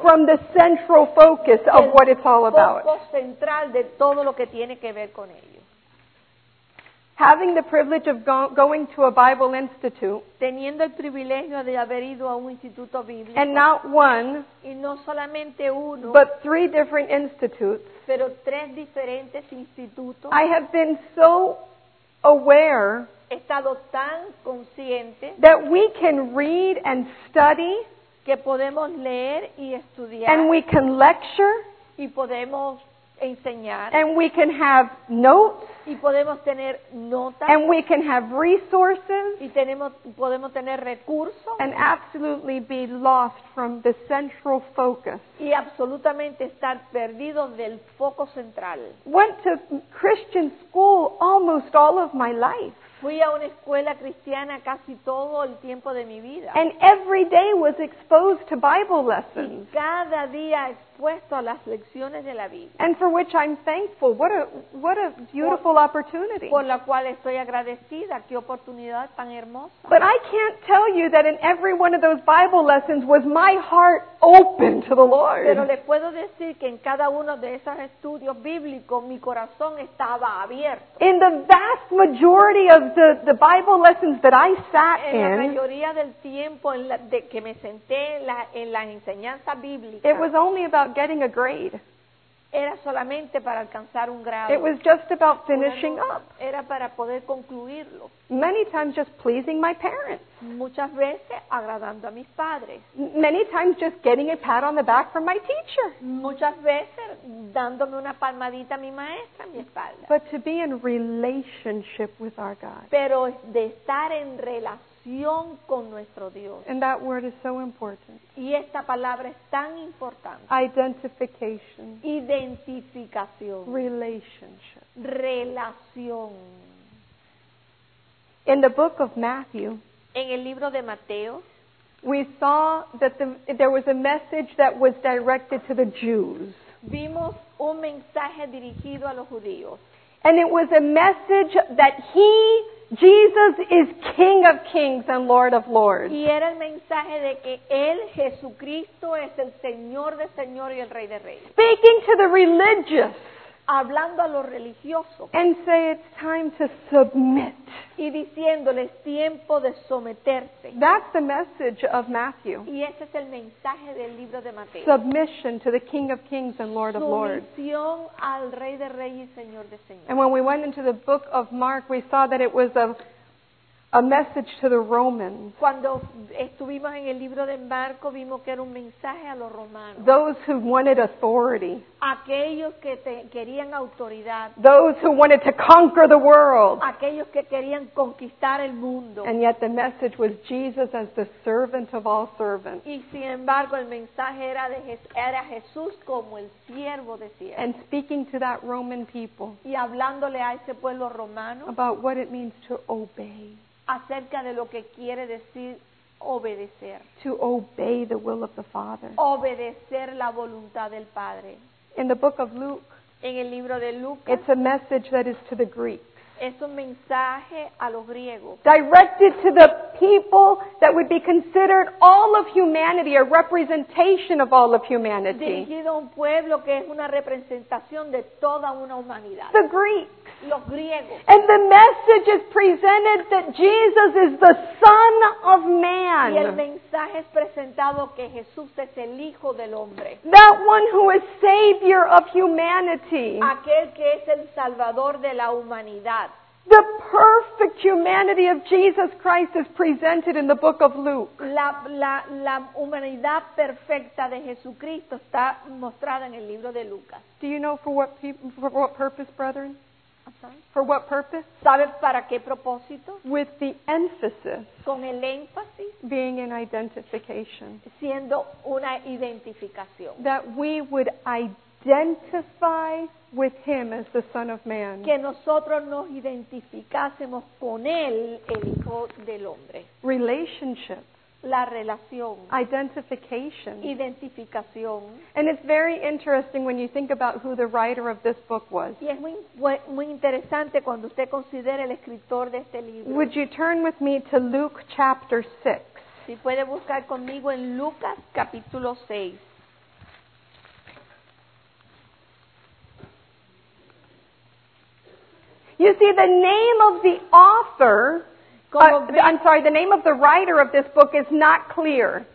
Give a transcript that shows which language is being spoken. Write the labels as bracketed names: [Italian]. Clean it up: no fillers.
[English] from the central focus of what it's all about. [Spanish] Foco central de todo lo que tiene que ver con ello. [English] Having the privilege of going to a Bible institute, [Spanish] teniendo el privilegio de haber ido a un instituto bíblico, [English] and not one, [Spanish] y no solamente uno, [English] but three different institutes, [Spanish] pero tres diferentes institutos, [English] I have been so aware, [Spanish] he estado tan consciente, [English] that we can read and study, [Spanish] que podemos leer y estudiar, [English] and we can lecture, [Spanish] y podemos enseñar, [English] and we can have notes, [Spanish] y podemos tener notas, [English] and we can have resources, [Spanish] y podemos tener recursos, [English] and absolutely be lost from the central focus, [Spanish] y absolutamente estar perdido del foco central. [English] Went to Christian school almost all of my life. [Spanish] Fui a una escuela cristiana casi todo el tiempo de mi vida. [English] And every day was exposed to Bible lessons. [Spanish] Y cada día expuesto a las lecciones de la Biblia. [English] And for which I'm thankful. What a beautiful opportunity. [Spanish] Por la cual estoy agradecida. Qué oportunidad tan hermosa. [English] But I can't tell you that in every one of those Bible lessons was my heart open to the Lord. [Spanish] Pero le puedo decir que en cada uno de esos estudios bíblicos mi corazón estaba abierto. [English] In the vast majority of the Bible lessons that I sat in, [Spanish] la mayoría del tiempo en la, de que me senté en la enseñanza bíblica, [English] it was only about getting a grade. [Spanish] Era solamente para alcanzar un grado. [English] It was just about finishing up. [Spanish] Era para poder concluirlo. [English] Many times just pleasing my parents. [Spanish] Muchas veces agradando a mis padres. [English] Many times just getting a pat on the back from my teacher. [Spanish] Muchas veces dándome una palmadita a mi maestra, a mi espalda. [English] But to be in relationship with our God. [Spanish] Pero de estar en relación con nuestro Dios. [English] And that word is so important. [Spanish] Y esta palabra es tan importante. [English] Identification. [Spanish] Identificación. [English] Relationship. [Spanish] Relación. [English] In the book of Matthew, [Spanish] en el libro de Mateo, [English] we saw that there was a message that was directed to the Jews. [Spanish] Vimos un mensaje dirigido a los judíos. [English] And it was a message that he, Jesus, is King of Kings and Lord of Lords. [Spanish] Y era el mensaje de que él, Jesucristo, es el Señor de señores y el Rey de reyes. [English] Speaking to the religious, [Spanish] hablando a los religiosos, [English] and say it's time to submit, [Spanish] y diciéndoles tiempo de someterse. [English] That's the message of Matthew. [Spanish] Y ese es el mensaje del libro de Mateo. [English] Submission to the King of Kings and Lord of Lords. [Spanish] Sumisión al Rey de reyes y Señor de señores. [English] And when we went into the book of Mark, we saw that it was a message to the Romans. [Spanish] Cuando estuvimos en el libro de Marcos vimos que era un mensaje a los romanos. [English] Those who wanted authority. [Spanish] Aquellos que querían autoridad. [English] Those who wanted to conquer the world. [Spanish] Aquellos que querían conquistar el mundo. [English] And yet the message was Jesus as the servant of all servants. [Spanish] Y sin embargo el mensaje era Jesús como el siervo de siervos. [English] And speaking to that Roman people. [Spanish] Y hablándole a ese pueblo romano. [English] About what it means to obey. [Spanish] Acerca de lo que quiere decir obedecer. [English] To obey the will of the Father. [Spanish] Obedecer la voluntad del Padre. [English] In the book of Luke, [Spanish] en el libro de Lucas, [English] it's a message that is to the Greeks. [Spanish] Es un mensaje a los griegos. [English] Directed to the people that would be considered all of humanity, a representation of all of humanity. [Spanish] Dirigido a un pueblo que es una representación de toda una humanidad. [English] The Greeks. [Spanish] los griegos. [English] And the message is presented that Jesus is the Son of Man. [Spanish] Y el mensaje es presentado que Jesús es el Hijo del Hombre. [English] That one who is Savior of humanity. [Spanish] Aquel que es el Salvador de la humanidad. [English] The perfect humanity of Jesus Christ is presented in the book of Luke. [Spanish] La humanidad perfecta de Jesucristo está mostrada en el libro de Lucas. [English] Do you know for what purpose, brethren? I'm sorry. For what purpose? [Spanish] ¿Sabes para qué propósito? [English] With the emphasis. [Spanish] Con el énfasis. [English] Being an identification. [Spanish] Siendo una identificación. [English] That we would identify with him as the Son of Man. [Spanish] Que nosotros nos identificásemos con él, el Hijo del Hombre. [English] Relationship. [Spanish] La relación. [English] Identification. [Spanish] Identificación. [English] And it's very interesting when you think about who the writer of this book was. [Spanish] Y es muy, muy interesante cuando usted considera el escritor de este libro. [English] Would you turn with me to Luke chapter 6? [Spanish] Si puede buscar conmigo en Lucas capítulo 6. [English] You see, the name of the author, the name of the writer of this book is not clear.